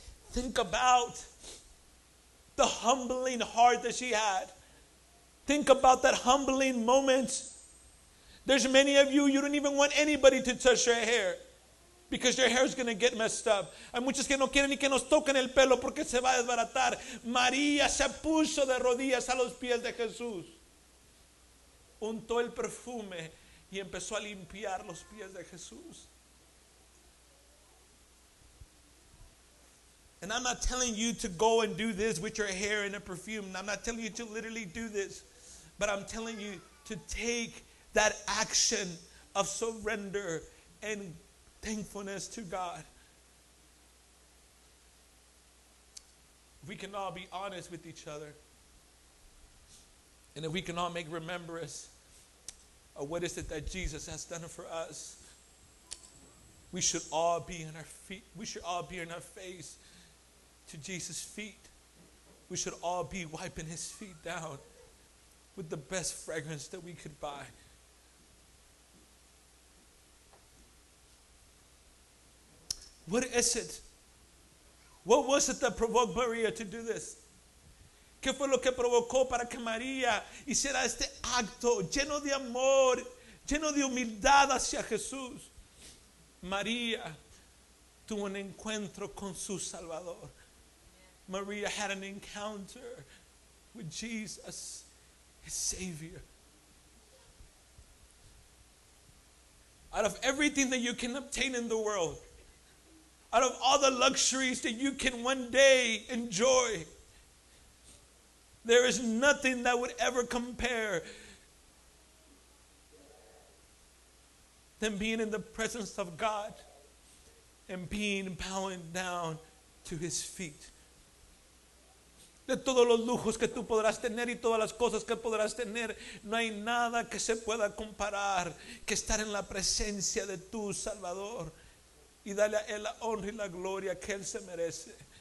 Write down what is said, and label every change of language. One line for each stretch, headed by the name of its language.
English: Think about the humbling heart that she had. Think about that humbling moment. There's many of you, you don't even want anybody to touch your hair because your hair is going to get messed up.
Spanish: Hay muchos que no quieren ni que nos toquen el pelo porque se va a desbaratar. María se puso de rodillas a los pies de Jesús. Untó el perfume y empezó a limpiar los pies de Jesús.
English: And I'm not telling you to go and do this with your hair in a perfume. I'm not telling you to literally do this. But I'm telling you to take that action of surrender and thankfulness to God. We can all be honest with each other. And if we can all make remembrance of what is it that Jesus has done for us, we should all be in our feet. We should all be in our face to Jesus' feet. We should all be wiping his feet down with the best fragrance that we could buy. What is it? What was it that provoked Maria to do this?
Spanish: ¿Qué fue lo que provocó para que María hiciera este acto lleno de amor, lleno de humildad hacia Jesús? María tuvo un encuentro con su Salvador.
English: María had an encounter with Jesus, his Savior. Out of everything that you can obtain in the world, out of all the luxuries that you can one day enjoy, there is nothing that would ever compare than being in the presence of God and being bowing down to his feet.
Spanish: De todos los lujos que tú podrás tener y todas las cosas que podrás tener, no hay nada que se pueda comparar que estar en la presencia de tu Salvador y darle a él la honra y la gloria que él se merece.